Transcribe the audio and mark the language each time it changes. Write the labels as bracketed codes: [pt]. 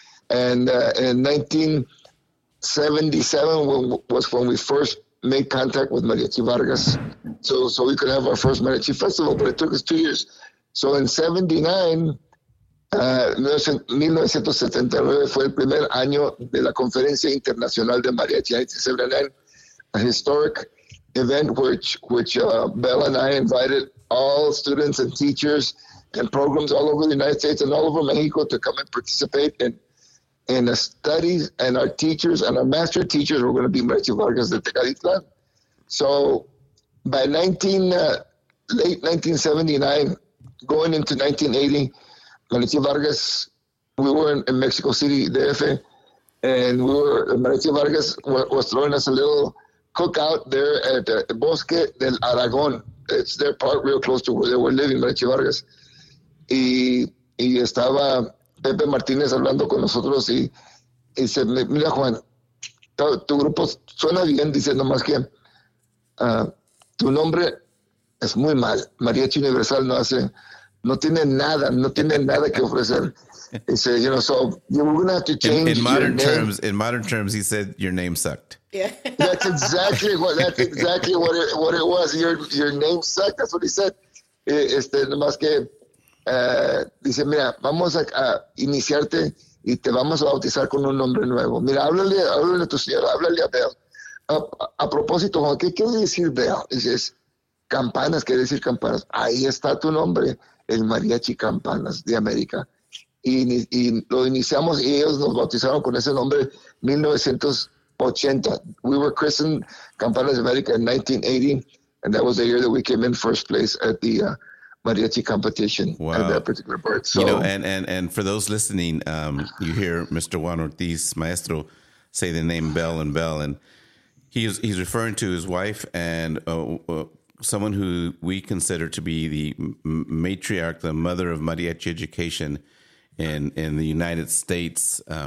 [en] And in 1977 was when we first made contact with Mariachi Vargas so we could have our first mariachi festival, but it took us 2 years. So in 1979 [es] fue el primer año de la Conferencia Internacional de Mariachi, 1979, [en] a historic event which Bella and I invited all students and teachers and programs all over the United States and all over Mexico to come and participate in the studies, and our teachers and our master teachers were going to be Mauricio Vargas de Tecalitlan. So by late 1979, going into 1980, Mauricio Vargas, we were in Mexico City, DF, and Mauricio Vargas was throwing us a little cookout there at the Bosque del Aragón. It's their part real close to where they were living, Mauricio Vargas. [es] Y estaba Pepe Martínez hablando con nosotros y dice, mira, Juan, tu grupo suena bien, dice, nomás que tu nombre es muy mal. Mariachi Universal no tiene nada que ofrecer. [en] He said, you know, so you're going to have to change in modern terms, he said, your name sucked. Yeah. That's exactly what it was. Your name sucked. That's what he said. [es] Nomás que, dice, mira, vamos a iniciarte y te vamos a bautizar con un nombre nuevo. Mira, háblale a tu señora, háblale a Bell. A propósito, Juan, ¿qué quiere decir Bell? Dice, campanas, quiere decir campanas. Ahí está tu nombre, el Mariachi Campanas de América. Y lo iniciamos y ellos nos bautizaron con ese nombre en 1980. [en] We were christened Campanas de América en 1980, and that was the year that we came in first place at the Mariachi competition. Wow. At that particular part. So, you know, and for those listening, you hear Mr. Juan Ortiz, maestro, say the name Bell and Bell, and he's referring to his wife and someone who we consider to be the matriarch, the mother of mariachi education in the United States.